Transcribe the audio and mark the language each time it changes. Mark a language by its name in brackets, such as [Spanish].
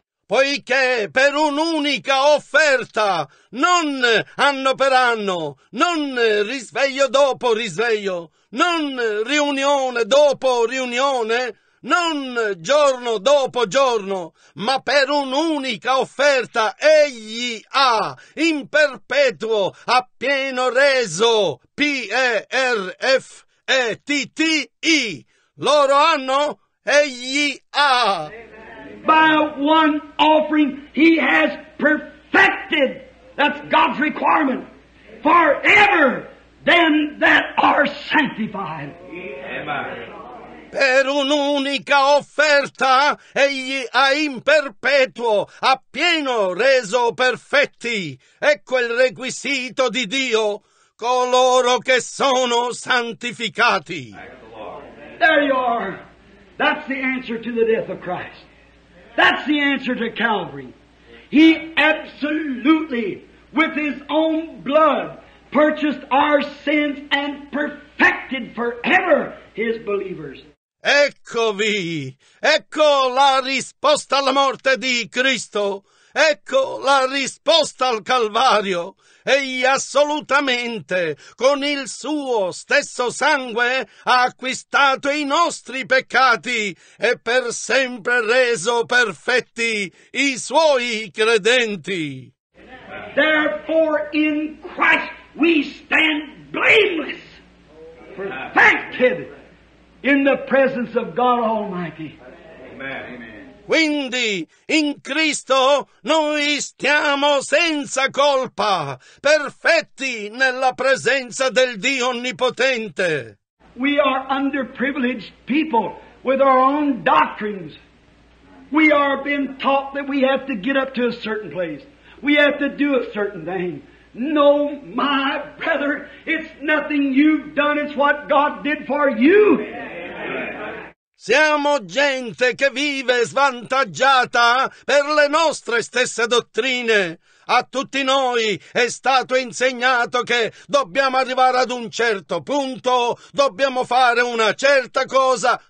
[Italian] Poiché per un'unica offerta, non anno per anno, non risveglio dopo risveglio, non riunione dopo riunione, non giorno dopo giorno, ma per un'unica offerta egli ha, in perpetuo, appieno reso, P-E-R-F-E-T-T-I. Loro hanno, egli ha. [English] By one offering he has perfected, that's God's requirement, forever them that are sanctified. Amen. [Italian] Per un'unica offerta egli ha in perpetuo, appieno reso perfetti. Ecco il requisito di Dio, coloro che sono santificati. [English] There you are. That's the answer to the death of Christ. That's the answer to Calvary. He absolutely, with his own blood, purchased our sins and perfected forever his believers. [Italian] Eccovi, ecco la risposta alla morte di Cristo, ecco la risposta al Calvario. Egli assolutamente, con il suo stesso sangue, ha acquistato i nostri peccati e per sempre reso perfetti i suoi credenti. [English] Therefore in Christ we stand blameless, perfected in the presence of God Almighty. Amen. [Italian] Quindi, in Cristo, noi stiamo senza colpa, perfetti nella presenza del Dio Onnipotente. [English] We are underprivileged people. with our own doctrines. We are being taught that we have to get up to a certain place. We have to do a certain thing. No, my brother, it's nothing you've done, it's what God did for you. [Italian] Siamo gente che vive svantaggiata per le nostre stesse dottrine. A tutti noi è stato insegnato che dobbiamo arrivare ad un certo punto, dobbiamo fare una certa cosa.